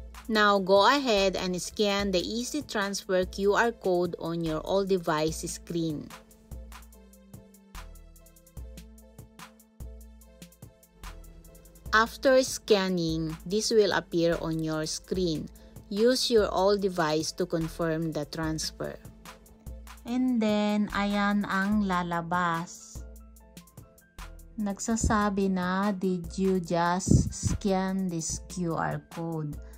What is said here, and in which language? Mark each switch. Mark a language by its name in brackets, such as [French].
[English] Now, go ahead and scan the Easy Transfer QR code on your old device screen. After scanning, this will appear on your screen. Use your old device to confirm the transfer. [Filipino] And then, ayan ang lalabas. Nagsasabi na, [English] did you just scan this QR code?